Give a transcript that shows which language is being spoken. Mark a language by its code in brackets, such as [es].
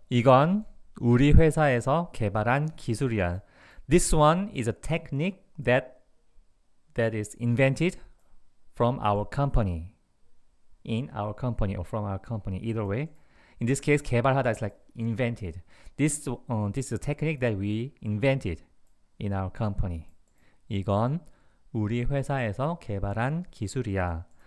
[ko] 이건 우리 회사에서 개발한 기술이야. [en] This one is a technique that is invented from our company. In our company or from our company, either way. In this case, 개발하다 is like invented. This is a technique that we invented in our company. [ko] 이건 우리 회사에서 개발한 기술이야.